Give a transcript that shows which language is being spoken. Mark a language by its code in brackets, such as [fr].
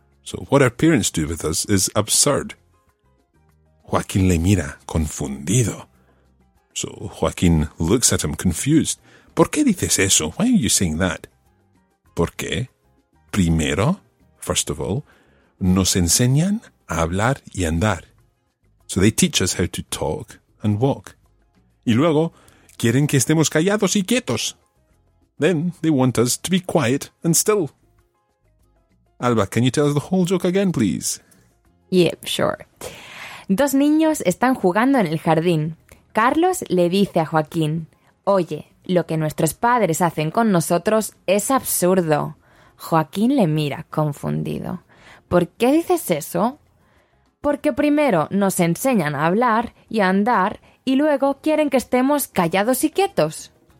[en] So, what our parents do with us is absurd. [es] Joaquín le mira confundido. [en] So, Joaquín looks at him confused. [es] ¿Por qué dices eso? [en] Why are you saying that? [es] ¿Por qué? Primero, [en] first of all, [es] nos enseñan a hablar y andar. [en] So they teach us how to talk and walk. [es] Y luego, quieren que estemos callados y quietos. [en] Then they want us to be quiet and still. Alba, can you tell us the whole joke again, please? Yep, sure. [es] Dos niños están jugando en el jardín. Carlos le dice a Joaquín, oye, lo que nuestros padres hacen con nosotros es absurdo. Joaquín le mira, confundido. ¿Por qué dices eso? Porque primero nos enseñan a hablar y a andar y luego quieren que estemos callados y quietos.